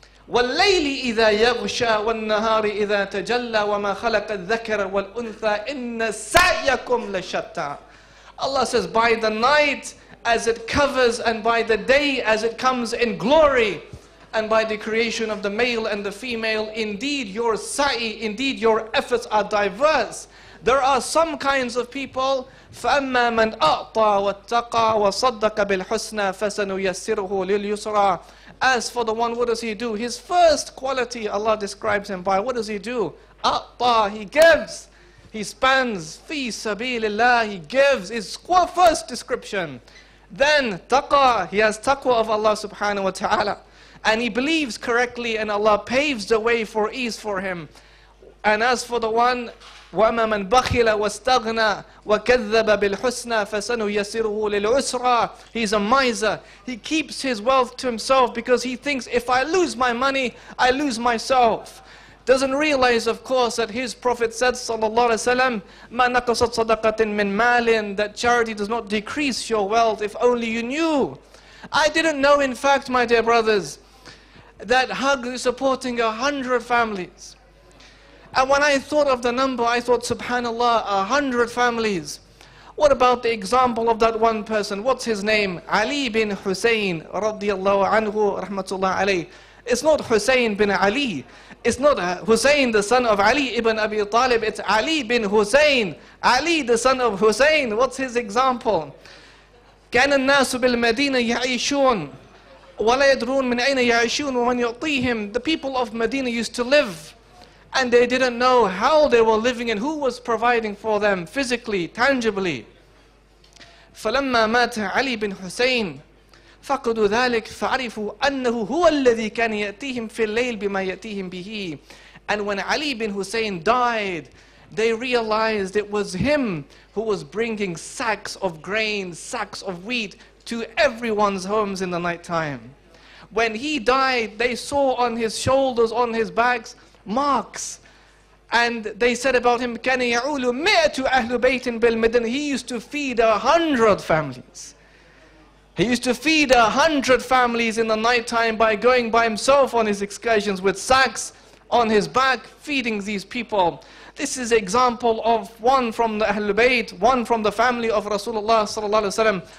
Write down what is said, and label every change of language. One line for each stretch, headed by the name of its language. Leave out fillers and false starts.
Arabic: وَاللَّيْلِ إِذَا يَغْشَى وَالنَّهَارِ إِذَا تَجَلَّى وَمَا خَلَقَ الذَّكَرَ وَالْأُنْثَى إِنَّ سَعْيَكُمْ لَشَتَّى.
English: Allah says, by the night as it covers and by the day as it comes in glory and by the creation of the male and the female, indeed your sa'i, indeed your efforts are diverse. There are some kinds of people,
Arabic: فَأَمَّا مَنْ أَعْطَى وَاتَّقَى وَصَدَّقَ بِالْحُسْنَى فَسَنُيَسِّرُهُ لِلْيُسْرَى.
English: As for the one, what does he do? His first quality Allah describes him by, what does he do? أَعْطَى, he gives. He spends, fi sabilillah, he gives, his first description. Then taqwa, he has taqwa of Allah subhanahu wa ta'ala. And he believes correctly and Allah paves the way for ease for him. And as for the one,
Arabic: وَمَا مَنْ بَخِلَ وَاسْتَغْنَى وَكَذَّبَ بِالْحُسْنَى فَسَنُيَسِرُهُ لِلْعُسْرَى.
English: He's a miser. He keeps his wealth to himself because he thinks, if I lose my money, I lose myself. Doesn't realize, of course, that his prophet said, sallallahu alaihi wasallam,
Arabic: مَا نَقَصَتْ صَدَقَةٍ مِّن مَالٍ,
English: that charity does not decrease your wealth, if only you knew. I didn't know, in fact, my dear brothers, that hug supporting 100 families. And when I thought of the number, I thought, subhanAllah, 100 families. What about the example of that one person? What's his name? Ali bin Hussein, radiallahu anhu, rahmatullah alayh. It's not Hussein bin Ali. It's not Hussein, the son of Ali ibn Abi Talib. It's Ali bin Hussein. Ali, the son of Hussein. What's his example?
Arabic: كان الناس بالمدينة يعيشون ولا يدرون من أين يعيشون ومن يعطيهم.
English: The people of Medina used to live, and they didn't know how they were living and who was providing for them physically, tangibly.
Arabic: فلما مات علي بن حسين فقدوا ذلك فعرفوا أنه هو الذي كان يأتيهم في الليل بما يأتيهم به.
English: And when Ali bin Hussein died, they realized it was him who was bringing sacks of grain, sacks of wheat to everyone's homes in the night time. When he died, they saw on his shoulders, on his backs, marks. And they said about him,
Arabic: كان يعول مئة أهل بيت بالمدن.
English: He used to feed 100 families. He used to feed 100 families in the night time by going by himself on his excursions with sacks on his back, feeding these people. This is an example of one from the Ahlul Bayt, one from the family of Rasulullah sallallahu alaihi wasallam.